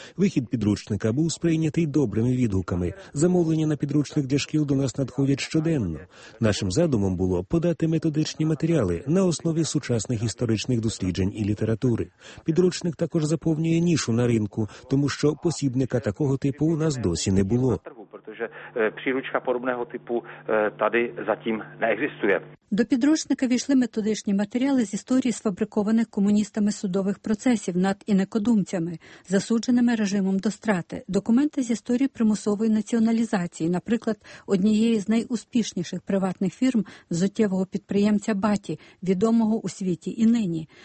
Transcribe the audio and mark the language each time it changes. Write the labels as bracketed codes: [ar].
[uk] Вихід підручника був сприйнятий добрими відгуками. Замовлення на підручник для шкіл до нас надходять щоденно. Нашим задумом було подати методичні матеріали на основі сучасних історичних досліджень і літератури. Підручник також заповнює нішу на ринку, тому що посібника такого типу у нас досі не було. [cs] Protože příručka podobného typu tady zatím neexistuje. [uk] До підручника війшли методичні матеріали з історії сфабрикованих комуністами судових процесів над інакодумцями, засудженими режимом до страти. Документи з історії примусової націоналізації, наприклад, однієї з найуспішніших приватних фірм взуттєвого підприємця Баті, відомого у світі і нині.